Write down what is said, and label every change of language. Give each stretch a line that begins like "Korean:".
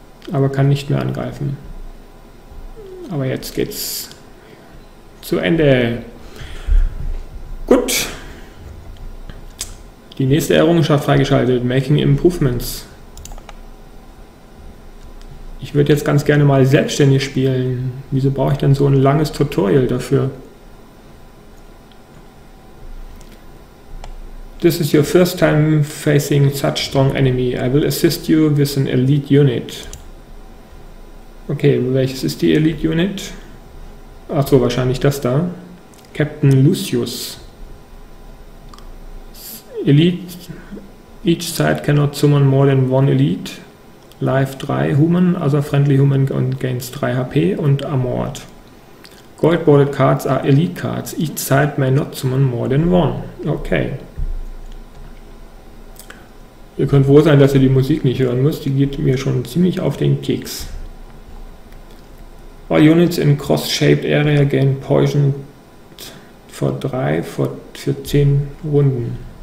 German: Aber kann nicht mehr angreifen. Aber jetzt geht's zu Ende. Gut. Die nächste Errungenschaft freigeschaltet. Making Improvements. Ich würde jetzt ganz gerne mal selbstständig spielen. Wieso brauche ich denn so ein langes Tutorial dafür?
English: This is your first time facing such strong enemy. I will assist you with an elite unit.
German: Okay, welches ist die Elite Unit? Achso, wahrscheinlich das da.
English: Captain Lucius. Elite. Each side cannot summon more than one Elite. Life 3 Human, other friendly Human
German: und
English: gains 3 HP und Amort. Gold-boarded Cards are Elite Cards. Each side may not summon more than one. Okay.
German: Ihr könnt froh sein, dass ihr die Musik nicht hören müsst. Die geht mir schon ziemlich auf den Keks.
English: All units in cross-shaped area gain poison for 3
German: für 10 Runden.